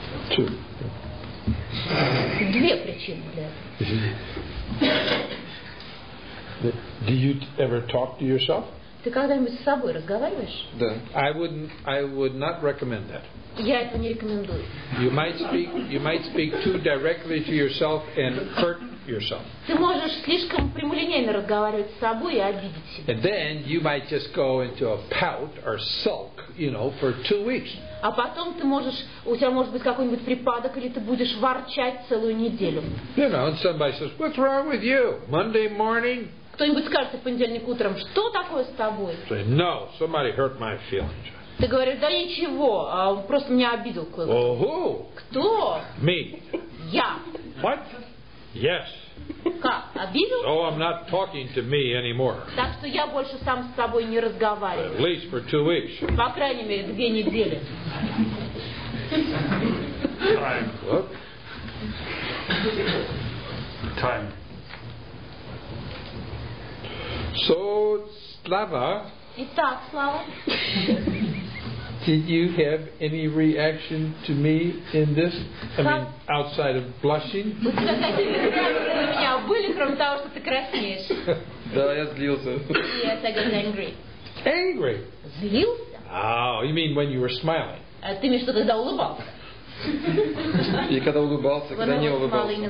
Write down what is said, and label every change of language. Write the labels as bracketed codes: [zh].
[en] Two. [ru] Две причины. [en] Do you ever talk to yourself? [ru] Ты когда-нибудь с собой разговариваешь? Да. [en] I would not recommend that. [ru] Я это не рекомендую. [en] You might speak too directly to yourself and hurt yourself. [ru] Ты можешь слишком прямолинейно разговаривать с собой и обидеть себя. [en] And then you might just go into a pout or sulk, you know, for two weeks. [ru] А потом ты можешь, у тебя может быть какой-нибудь припадок, или ты будешь ворчать целую неделю. [en] You know, and somebody says, "What's wrong with you?" Monday morning. [ru] Кто-нибудь скажет в понедельник утром, что такое с тобой? [en] Say, no, somebody hurt my feelings. [ru] Ты говоришь, да ничего, просто меня обидел кто-то. [en] Well, who? [ru] Кто? [en] Me. [ru] Я. [en] What? Yes. [ru] Как, обидел? [en] So I'm not talking to me anymore. [ru] Так что я больше сам с собой не разговариваю. [en] At least for two weeks. [ru] По крайней мере, две недели. [en] Time. What? Time. So, Slava. [ru] Итак, Слава. [en] Did you have any reaction to me in this? I mean, outside of blushing? [ru] У тебя какие-то реакции на меня были, кроме того, что ты краснеешь? Да, я злился. [en] Yes, I got angry. Angry? [ru] Злился? [en] Oh, you mean when you were smiling? [ru] Ты мне что-то да улыбался? И когда улыбался, когда не улыбался.